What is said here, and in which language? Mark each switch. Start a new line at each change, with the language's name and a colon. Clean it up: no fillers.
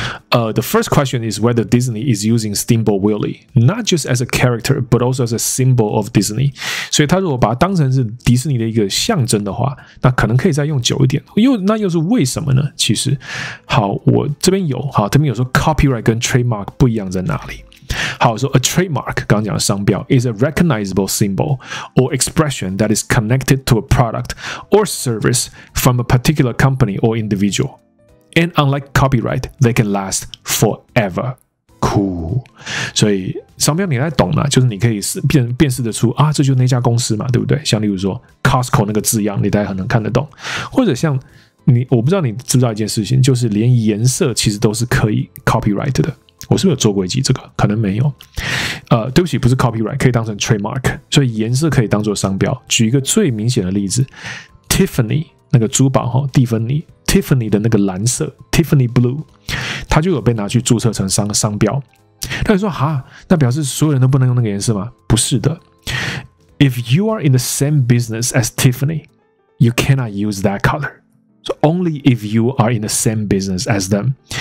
English: The first question is whether Disney is using Steamboat Willie, not just as a character, but also as a symbol of Disney.
Chinese: 所以他如果把它当成是迪士尼的一个象征的话，那可能可以再用久一点。那又是为什么呢？其实，好，我这边有，好，这边有说 copyright 跟 trademark 不一样在哪里。好，说
English: a trademark
Chinese: 刚刚讲的商标
English: is a recognizable symbol or expression that is connected to a product or service from a particular company or individual. And unlike copyright, they can last forever. Cool.
Chinese: 所以商标你来懂了，就是你可以辨识得出啊，这就是那家公司嘛，对不对？像例如说 Costco 那个字样，你大概很能看得懂，或者像你，我不知道你知不知道一件事情，就是连颜色其实都是可以 copyright 的。我是不是有做过一集这个？可能没有。对不起，不是 copyright， 可以当成 trademark。所以颜色可以当做商标。举一个最明显的例子 ，Tiffany 那个珠宝哈，蒂芬妮 ，Tiffany 的那个蓝色 ，Tiffany Blue， 它就有被拿去注册成商标。那你说哈，那表示所有人都不能用那个颜色吗？不是的。
English: If you are in the same business as Tiffany, you cannot use that color. So only if you are in the same business as them.